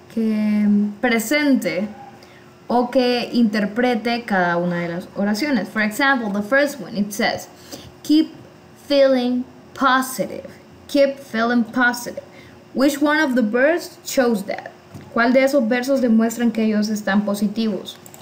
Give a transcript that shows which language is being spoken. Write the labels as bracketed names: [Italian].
[Spanish] Que presente o que interprete cada una de las oraciones. [English] For example, the first one, it says, keep feeling positive. Keep feeling positive. Which one of the verses shows that? [Spanish] ¿Cuál de esos versos demuestran que ellos están positivos?